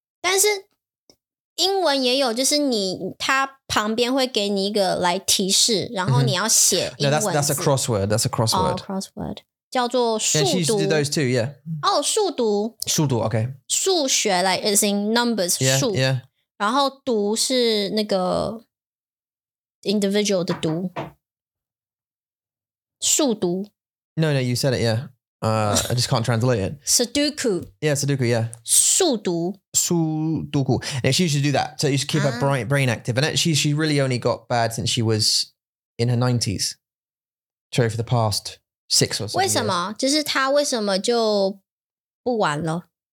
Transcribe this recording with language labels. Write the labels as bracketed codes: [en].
[zh] 但是英文也有,就是你,它旁边会给你一个来提示,然后你要写英文字。 [en] No, that's a crossword. That's a crossword. Oh, crossword. [zh] 叫做数读 [en] Yeah, she used to do those too, yeah. [zh] Oh, 数读。数读 okay. 数学 [en] like it's in numbers, [zh] 数。 [en] Yeah. [zh] 然后读是那个 individual 的读。数读。 [en] No, you said it, yeah. I just can't translate it. Sudoku. Yeah, Sudoku, yeah. [zh] 数读。数读库。 [en] Yeah, she used to do that. So you should keep her brain active. And actually, she really only got bad since she was in her 90s. Sorry for the past... Six or [zh] seven. 为什么？就是他为什么就不玩了？